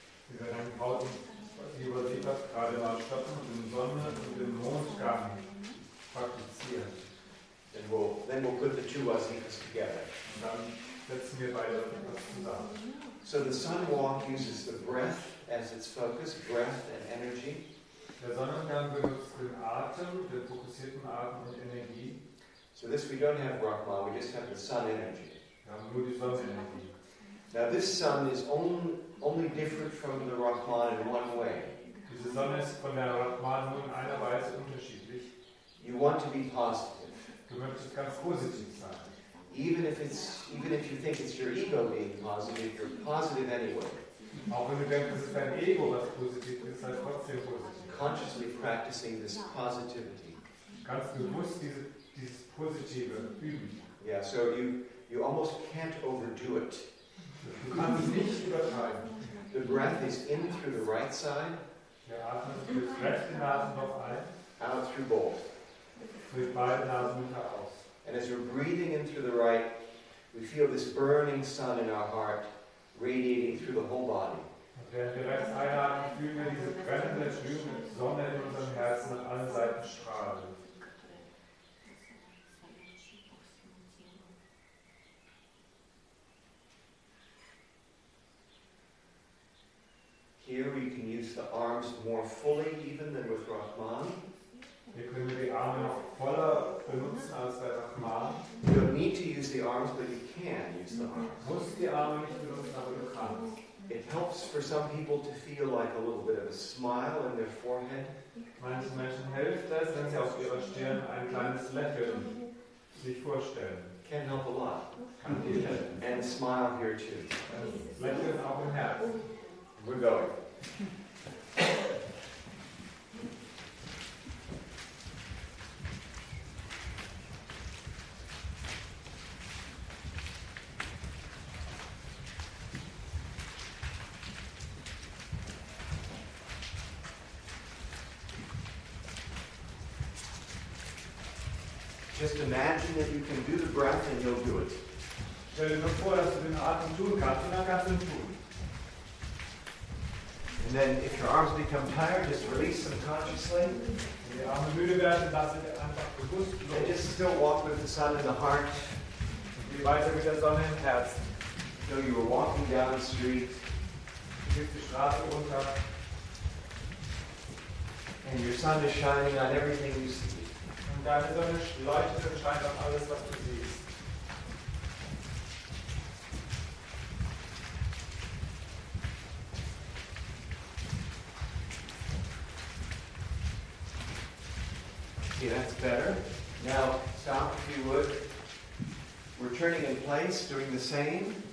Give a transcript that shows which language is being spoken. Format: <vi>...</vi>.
<en>And then we'll put the two Wazifas together. So the Sun Walk uses the breath as its focus, breath and energy.</en> <de>Der Sonnengang benutzt den Atem, den fokussierten Atem und Energie.</de> <en>So this we don't have Brahma, we just have the sun energy.</en> <de>Wir haben nur die Sonnenenergie.</de> <en>Now this sun is only different from the Brahma in one way.</en> <de>Diese Sonne ist von der Brahma nur in einer Weise unterschiedlich.</de> <en>You want to be positive.</en> <de>Du möchtest ganz positiv sein.</de> <en>Even if you think it's your ego being positive, you're positive anyway.</en> <de>Auch wenn du denkst, es ist dein Ego, was positiv ist, sei trotzdem positiv.</de> <en>Consciously practicing this positivity.</en> <de>Ganz bewusst dieses Positive üben.</de> <en>Yeah, so you almost can't overdo it.</en> <de>Du kannst es nicht übertreiben.</de> <en>The breath is in through the right side.</en> <de>Der Atem ist durch das rechte Nasenloch ein.</de> <en>Out through both.</en> <de>Durch beide Nasenlöcher aus.</de> <en>And as we're breathing in through the right, we feel this burning sun in our heart radiating through the whole body.</en> <de>Während wir rechts einatmen, fühlen wir diese brennende, glühende Sonne in unserem Herzen an allen Seiten strahlen.</de> <en>Here we can use the arms more fully even than with Rahman.</en> <de>Hier können wir die Arme noch voller benutzen als bei Rahman.</de> <en>You don't need to use the arms, but you can use the arms.</en> <de>Du musst die Arme nicht benutzen, aber du kannst.</de> <en>It helps for some people to feel like a little bit of a smile in their forehead.</en> <de>Manchen Menschen hilft es, wenn sie auf ihrer Stirn ein kleines Lächeln sich vorstellen.</de> <en>Can help a lot.</en> <de>Kann dir helfen.</de> <en>And smile here too.</en> <de>Und Lächeln auch im Herzen.</de> <en>We're going. Just imagine that you can do the breath and you'll do it.</en> <de>Stell dir nur vor, dass du den Atem tun kannst und dann kannst du ihn tun.</de> <en>And then if your arms become tired, just release them consciously.</en> <de>Wenn die Arme müde werden, lass sie einfach bewusst los.</de> <en>And just still walk with the sun in the heart.</en> <de>Geh weiter mit der Sonne im Herzen.</de> <en>So you were walking down the street.</en> <de>Du gehst die Straße runter.</de> <en>And your sun is shining on everything you see.</en> <de>Deine Sonne leuchtet und scheint auf alles, was du siehst.</de> <en>Okay, that's better. Now, stop if you would. We're turning in place, doing the same.</en>